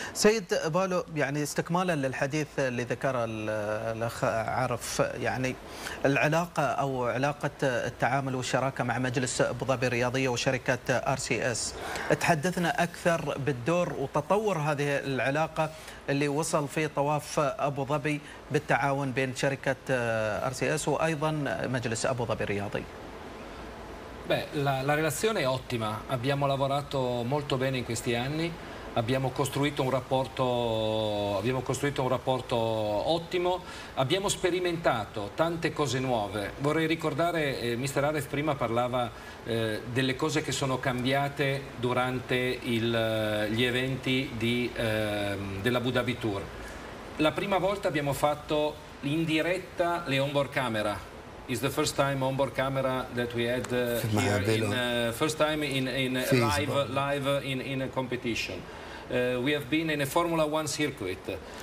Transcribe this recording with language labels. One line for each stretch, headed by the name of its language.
Arabic: سيد بالو، يعني استكمالا للحديث اللي ذكره الاخ عارف، يعني العلاقه او علاقه التعامل والشراكه مع مجلس ابو ظبي الرياضيه وشركه ار سي اس، تحدثنا اكثر بالدور وتطور هذه العلاقه اللي وصل فيه طواف ابو ظبي بالتعاون بين شركه ار سي اس وايضا مجلس ابو ظبي الرياضي.
Italian: Beh, la relazione è ottima, abbiamo lavorato molto bene in questi anni, abbiamo costruito un rapporto ottimo, abbiamo sperimentato tante cose nuove. Vorrei ricordare, Mr. Aref prima parlava delle cose che sono cambiate durante gli eventi della Abu Dhabi Tour. La prima volta abbiamo fatto in diretta le onboard camera.
English: Is the first time onboard camera that we had here in first time in live in a competition. We have been in a Formula One circuit.